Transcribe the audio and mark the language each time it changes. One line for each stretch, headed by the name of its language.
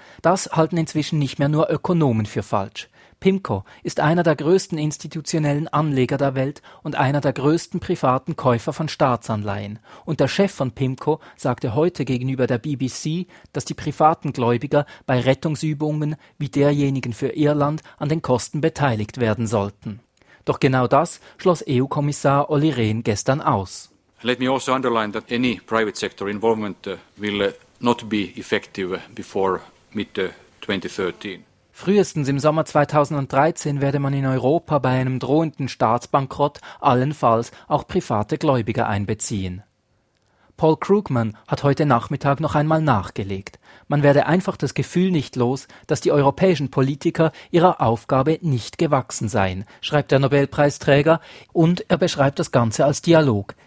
German: Das halten inzwischen nicht mehr nur Ökonomen für falsch. PIMCO ist einer der größten institutionellen Anleger der Welt und einer der größten privaten Käufer von Staatsanleihen. Und der Chef von PIMCO sagte heute gegenüber der BBC, dass die privaten Gläubiger bei Rettungsübungen wie derjenigen für Irland an den Kosten beteiligt werden sollten. Doch genau das schloss EU-Kommissar Olli Rehn gestern aus.
English: Let me also underline that any private sector involvement will not be effective before mid 2013.
German: Frühestens im Sommer 2013 werde man in Europa bei einem drohenden Staatsbankrott allenfalls auch private Gläubiger einbeziehen. Paul Krugman hat heute Nachmittag noch einmal nachgelegt. Man werde einfach das Gefühl nicht los, dass die europäischen Politiker ihrer Aufgabe nicht gewachsen seien, schreibt der Nobelpreisträger, und er beschreibt das Ganze als Dialog.